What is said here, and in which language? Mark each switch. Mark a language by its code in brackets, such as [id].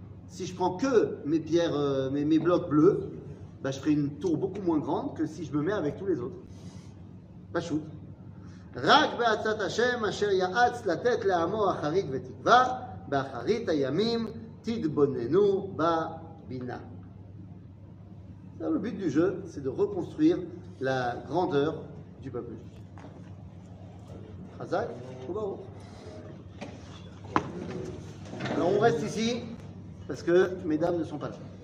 [fr] Si je prends que mes pierres, mes blocs bleus, bah je ferai une tour beaucoup moins grande que si je me mets avec tous les autres. Pas chou. [he] רק בעצת השם אשר יעץ לתת לעמו אחרית ותקווה באחרית הימים תתבוננו בבינה. [fr] Le but du jeu, c'est de reconstruire la grandeur du peuple. Chazak, Shabbat Shalom. Alors on reste ici parce que mes dames ne sont pas là.